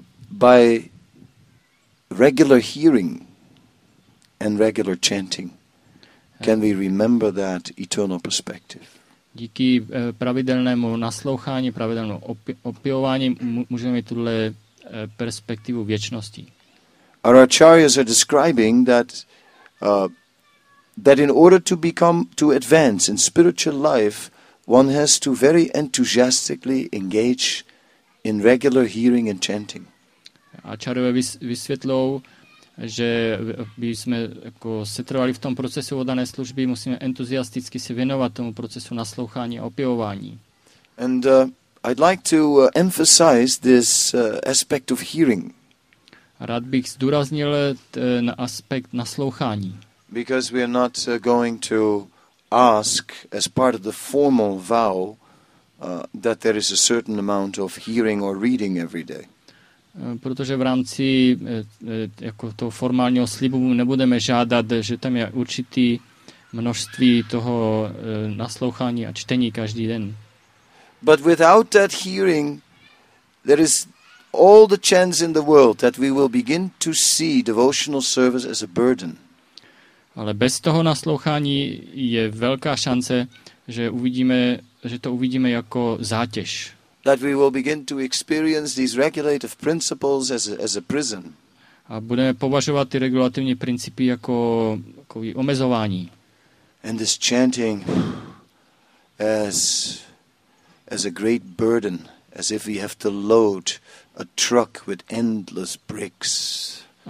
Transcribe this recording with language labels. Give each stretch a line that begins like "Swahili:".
English: By regular hearing and regular chanting, can we remember that eternal perspective?
Czech: Díky pravidelnému naslouchání, pravidelnému opěvování můžeme mít tuhle perspektivu věčnosti.
English: Our acharyas are describing that that in order to become to advance in spiritual life, one has to very enthusiastically engage in regular hearing and chanting.
Czech: Acharyové vysvětlou, že by jsme jako setrvali v tom procesu oddané služby, musíme entuziasticky se věnovat tomu procesu naslouchání a opěvování.
English: And I'd like to emphasize this aspect of hearing.
Czech: Rád bych zdůraznil ten aspekt naslouchání.
English: Because we are not going to ask as part of the formal vow that there is a certain amount of hearing or reading every day.
Czech: Protože v rámci jako toho formálního slibu nebudeme žádat, že tam je určitý množství toho naslouchání a čtení každý den.
English: But without that hearing, there is all the chance in the world that we will begin to see devotional service as a burden.
Czech: Ale bez toho naslouchání je velká šance, že uvidíme, že to uvidíme jako zátěž.
English: That we will begin to experience these regulative principles as a prison.
Czech: A budeme považovat ty regulativní principy jako omezování.
English: And this chanting as a great burden, as if we have to load a truck with endless bricks.